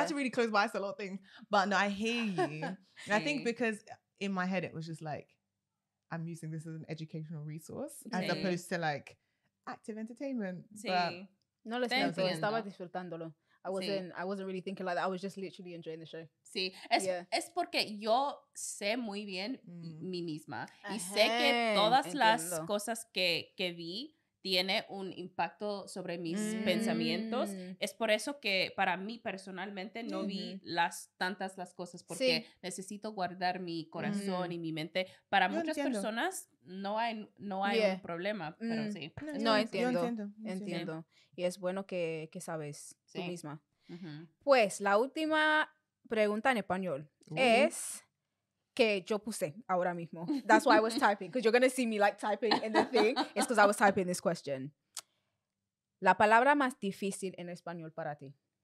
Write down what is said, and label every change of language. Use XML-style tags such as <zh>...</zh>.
<en>That's a really close by. It's a lot of things. But no, I hear you. And I think because in my head, it was just like, I'm using this as an educational resource as opposed to like active entertainment.</en> <es>Sí.</es> <en>But</en> <es>no lo sé, estaba disfrutándolo.</es> <en>I wasn't really thinking like that. I was just literally enjoying the show.</en> <es>Sí. Es porque yo sé muy bien mí misma. Y sé que todas las cosas que vi tiene un impacto sobre mis pensamientos. Es por eso que para mí personalmente no vi las cosas, porque necesito guardar mi corazón y mi mente. Para muchas personas no hay un problema, pero sí. No entiendo. Y es bueno que sabes tú misma. Uh-huh. Pues la última pregunta en español es... que yo puse ahora mismo.</es> <en>That's why I was typing, because you're going to see me like typing in the thing. It's because I was typing this question.</en> <es>La palabra más difícil en español para ti.</es>